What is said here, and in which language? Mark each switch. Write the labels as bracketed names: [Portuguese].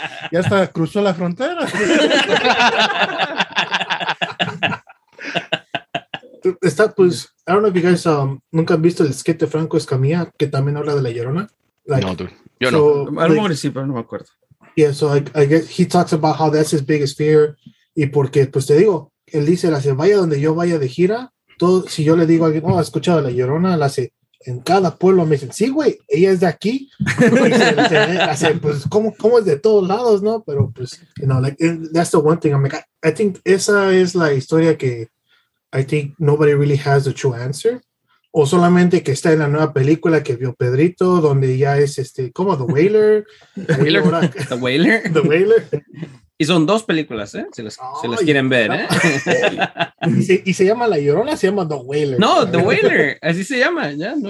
[Spanish] Ya hasta cruzó la frontera. Está, pues, [English] I don't know if you guys [Spanish] nunca han visto el sketch de Franco Escamilla, que también habla de la Llorona. Like, no, dude. Yo so, no. A lo mejor sí, pero no me acuerdo. [English] Yeah, so I guess he talks about how that's his biggest fear. [Spanish] Y porque, pues te digo, él dice, la hace, vaya donde yo vaya de gira, todo, si yo le digo a alguien, oh, ¿has escuchado a la Llorona? La hace, en cada pueblo me dicen, sí, güey, ella es de aquí. Hace, pues, ¿cómo es de todos lados, no? [English] Pero, pues, you know, like, that's the one thing. I'm like, I think [Spanish] esa es la historia que [English] I think nobody really has the true answer. [Spanish] O solamente que está en la nueva película que vio Pedrito, donde ya es este, ¿cómo? [English] The Wailer. [Spanish] The Wailer. Y son dos películas, ¿eh? Si las quieren ver, ¿eh? ¿Y se llama La Llorona? Se llama The Wailer. No, ¿sabes? The Wailer. Así se llama, ¿ya? No,